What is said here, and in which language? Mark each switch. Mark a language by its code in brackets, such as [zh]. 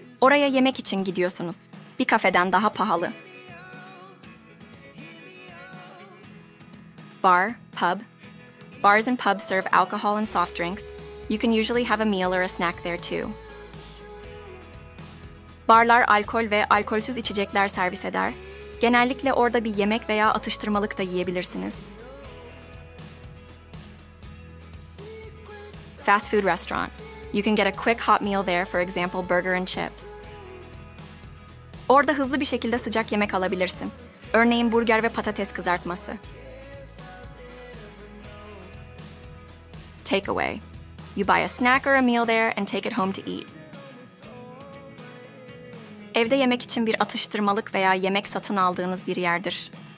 [tr] Oraya yemek için gidiyorsunuz. Bir kafeden daha pahalı. [en] Bar, pub. Bars and pubs serve alcohol and soft drinks. You can usually have a meal or a snack there too. [tr] Barlar alkol ve alkolsüz içecekler servis eder. Genellikle orada bir yemek veya atıştırmalık da yiyebilirsiniz. [en] Fast food restaurant. You can get a quick hot meal there, for example, burger and chips. [tr] Orada hızlı bir şekilde sıcak yemek alabilirsin. Örneğin burger ve patates kızartması. [en] Takeaway. You buy a snack or a meal there and take it home to eat. [tr] Evde yemek için bir atıştırmalık veya yemek satın aldığınız bir yerdir.